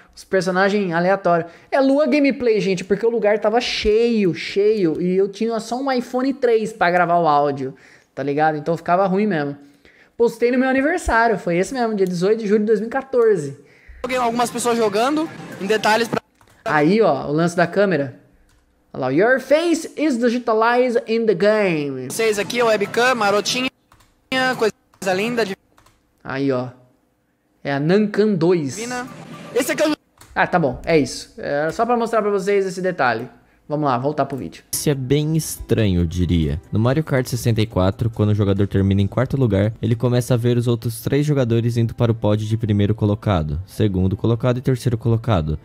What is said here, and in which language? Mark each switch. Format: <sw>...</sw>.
<pt>Os personagens aleatórios. É Lua Gameplay, gente, porque o lugar tava cheio. E eu tinha só um iPhone 3 pra gravar o áudio. Tá ligado? Então ficava ruim mesmo. Postei no meu aniversário, foi esse mesmo, dia 18 de julho de 2014. Joguei algumas pessoas jogando, em detalhes pra... Aí, ó, o lance da câmera.</pt> <en>Olha lá, your face is digitalized in the game.</en> <pt>Vocês aqui, ó, webcam, marotinha, coisa linda de... Aí, ó. É a Nankan 2. Esse aqui é o... Ah, tá bom, é isso. É só pra mostrar pra vocês esse detalhe. Vamos lá, voltar pro vídeo. Isso é bem estranho, eu diria. No Mario Kart 64, quando o jogador termina em quarto lugar, ele começa a ver os outros três jogadores indo para o pódio de primeiro colocado, segundo colocado e terceiro colocado.</pt>